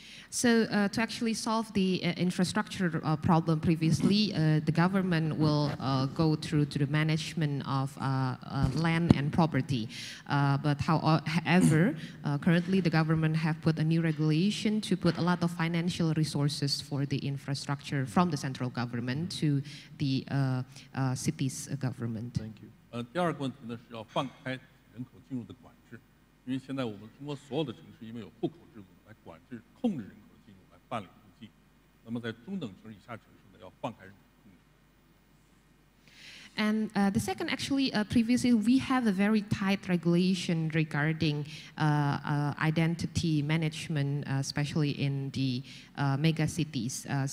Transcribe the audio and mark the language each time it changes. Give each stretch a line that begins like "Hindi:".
English: So to actually solve the infrastructure problem previously, the government will go through to the management of land and property. But however, currently the government have put a new regulation to put a lot of financial resources for the infrastructure from the central government to the city's government. Thank you.
Chinese: 第二个问题呢是要放开人口进入的管制，因为现在我们中国所有的城市因为有户口制度。来管制控制人口进入，来办理户籍。那么在中等城以下城市呢，要放开人口控制。
English: And the second, actually, previously we have a very tight regulation regarding identity management, especially in the mega cities.